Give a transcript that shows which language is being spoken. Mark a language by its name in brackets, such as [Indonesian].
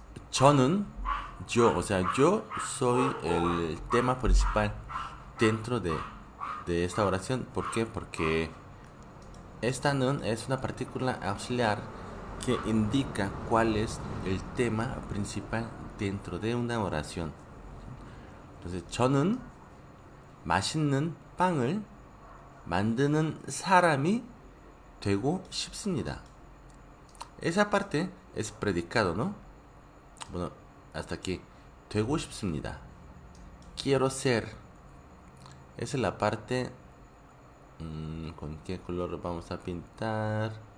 [Spanish] Chonun, yo, o sea, yo soy el tema principal dentro de esta oración. ¿Por qué? Porque esta nun es una partícula auxiliar que indica cuál es el tema principal dentro de una oración. [Korean] Entonces, chonun, 맛있는 빵을 만드는 사람이 되고 싶습니다. [Spanish] Esa parte es predicado, ¿no? Bueno, hasta aquí. Tengo 싶습니다. Quiero ser. Esa es la parte. ¿Con qué color vamos a pintar?